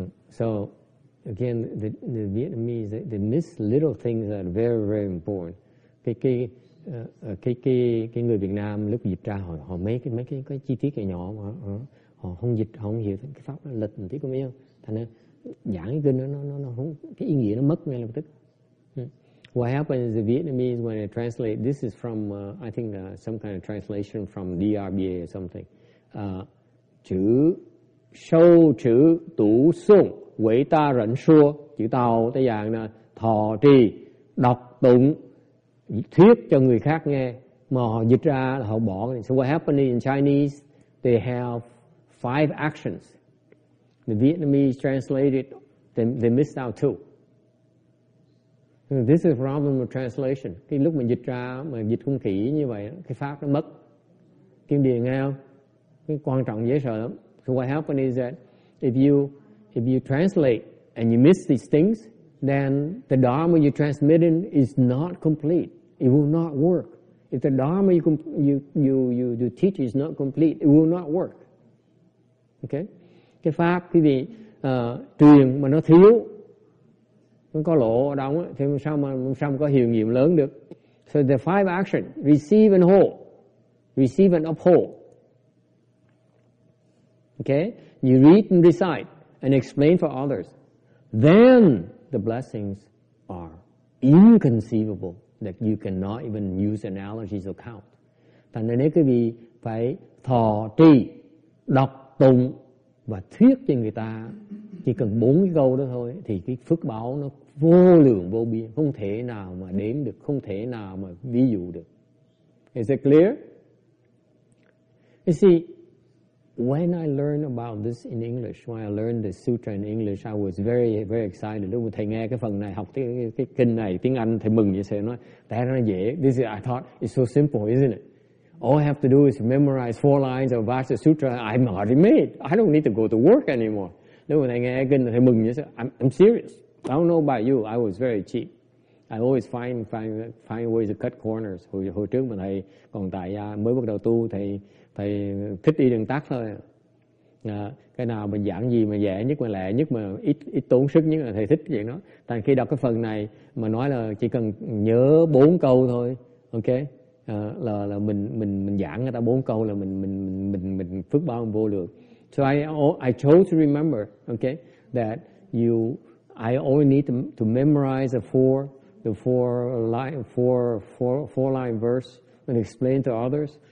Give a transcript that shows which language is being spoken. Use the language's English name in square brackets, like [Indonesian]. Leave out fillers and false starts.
[English] So again, the Vietnamese, they miss little things that are very very important. [Vietnamese] Cái người Việt Nam lúc dịch ra họ mấy cái chi tiết nhỏ mà họ không dịch, họ không hiểu cái pháp nó lịch một tí có mấy không, thành ra giảng cái kinh nó không, cái ý nghĩa nó mất ngay lập tức. [English] What happens is the Vietnamese when they translate, this is from I think some kind of translation from DRBA or something. [Vietnamese] Chữ sâu chữ tủ xuống quỷ ta rẫn xua, chữ tàu tới dạng là thọ trì đọc tụng thuyết cho người khác nghe, mà họ dịch ra là họ bỏ. [English] So what happened in Chinese, they have 5 actions. The Vietnamese translated, they missed out 2. This is a problem of translation. [Vietnamese] Cái lúc mình dịch ra mà dịch không kỹ như vậy, cái pháp nó mất. Kim Điền nghe không? Cái quan trọng dễ sợ lắm. [English] So what happened is that if you translate and you miss these things, then the Dharma you're transmitting is not complete. It will not work. If the Dharma you teach is not complete, it will not work. Okay? [Vietnamese] Cái pháp quý vị truyền mà nó thiếu, nó có lỗ ở đâu ấy, thì sao mà có hiệu nghiệm lớn được. [English] So the five action, receive and hold, receive and uphold. Okay? You read and recite and explain for others. Then the blessings are inconceivable that you cannot even use analogies or count. [Vietnamese] Thành ra nếu quý vị phải thọ trì, đọc tụng và thuyết cho người ta chỉ cần bốn cái câu đó thôi thì cái phước báo nó vô lượng vô biên, không thể nào mà đếm được, không thể nào mà ví dụ được. [English] Is it clear? You see, when I learned about this in English, when I learned the sutra in English, I was very, very excited. [Vietnamese] Lúc mà thầy nghe cái phần này, học cái kinh này tiếng Anh, thầy mừng như thế, nói, thế nó dễ. [English] This is, I thought, it's so simple, isn't it? All I have to do is memorize four lines of Vajra Sutra, I'm already made. I don't need to go to work anymore. [Vietnamese] Lúc mà thầy nghe cái kinh này, thầy mừng như thế, [English] I'm serious. I don't know about you, I was very cheap. I always find ways to cut corners. [Vietnamese] Hồi trước mà thầy còn tại gia, mới bắt đầu tu, thầy thích đi đường tắt thôi. Cái nào mình giảng gì mà dễ nhất mà lẹ nhất mà ít tốn sức nhất là thầy thích vậy đó. Tại khi đọc cái phần này mà nói là chỉ cần nhớ bốn câu thôi, ok, là mình giảng người ta bốn câu là mình phước báo vô lượng. [English] So I chose to remember, ok, that I only need to memorize the four line verse and explain to others.